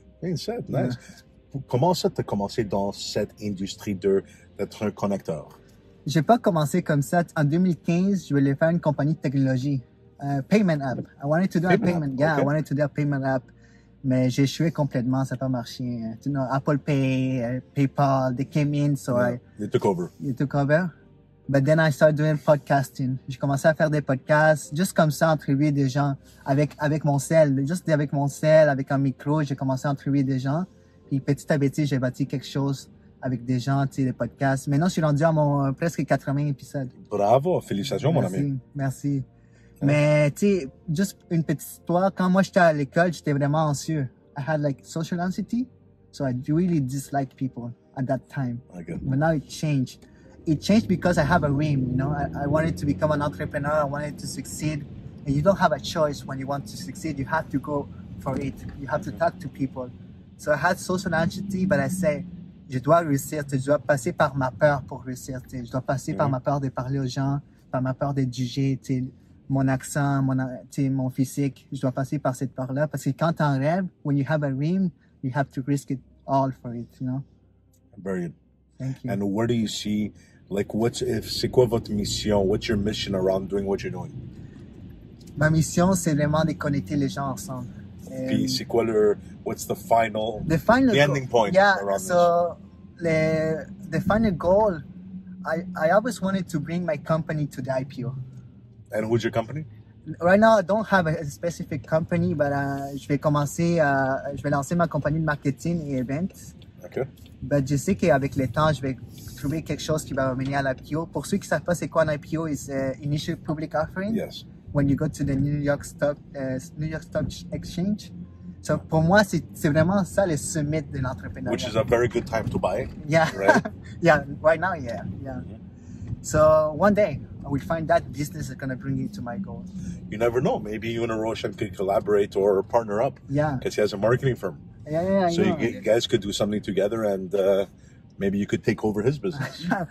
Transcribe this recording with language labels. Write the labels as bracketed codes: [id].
[en] 27, nice. [fr] Ouais. Comment ça, t'as commencé dans cette industrie d'être un connecteur? J'ai pas commencé comme ça. En 2015, je voulais faire une compagnie de technologie. [en] Payment app. I wanted to do payment a payment. App. Yeah, okay. I wanted to do a payment app. [fr] Mais j'ai échoué complètement, ça n'a pas marché. [en] You know, Apple Pay, PayPal, they came in, so yeah. You took over. But then I started doing podcasting. [fr] J'ai commencé à faire des podcasts, juste comme ça, entrevuer des gens avec mon cell. Juste avec mon cell, avec un micro, j'ai commencé à entrevuer des gens. Puis petit à petit, j'ai bâti quelque chose avec des gens, tu sais, des podcasts. Maintenant, je suis rendu à mon presque 80 épisodes. Bravo, félicitations, merci, mon ami. Merci. Ouais. Mais, tu sais, juste une petite histoire. Quand moi, j'étais à l'école, j'étais vraiment anxieux. [en] I had like social anxiety. So I really disliked people at that time. Okay. But now it changed. It changed because I have a dream, you know. I wanted to become an entrepreneur. I wanted to succeed. And you don't have a choice when you want to succeed. You have to go for it. You have to talk to people. So I had social anxiety, but I say, [fr] je dois réussir. Je dois passer par ma peur pour réussir. Je dois passer par ma peur de parler aux gens, par ma peur d'être jugé. Mon accent, mon physique. Je dois passer par cette peur-là. Parce que quand tu as un rêve, [en] when you have a dream, you have to risk it all for it, you know. Brilliant. Thank you. And where do you see, like, [fr] c'est quoi votre mission? [en] What's your mission around doing what you're doing? [fr] Ma mission, c'est vraiment de connecter les gens ensemble. Puis c'est quoi leur, [en] what's the final, the ending point? Yeah, so, the final goal, I always wanted to bring my company to the IPO. And who's your company? Right now, I don't have a specific company, but [fr] je vais lancer ma compagnie de marketing et events. [en] Okay. [fr] Mais je sais qu'avec le temps, je vais trouver quelque chose qui va m'amener à l'IPO. Pour ceux qui ne savent pas c'est quoi un IPO, c'est Initial Public Offering. [en] Yes. When you go to the New York Stock Exchange. [fr] So pour moi, c'est vraiment ça le summit de l'entrepreneuriat. [en] Which is a very good time to buy. Yeah. Right? Yeah, right now, yeah. So one day, I will find that business that's going to bring you to my goal. You never know. Maybe you and Roshan could collaborate or partner up. Yeah. Because he has a marketing firm. Yeah, so you guys could do something together and maybe you could take over his business.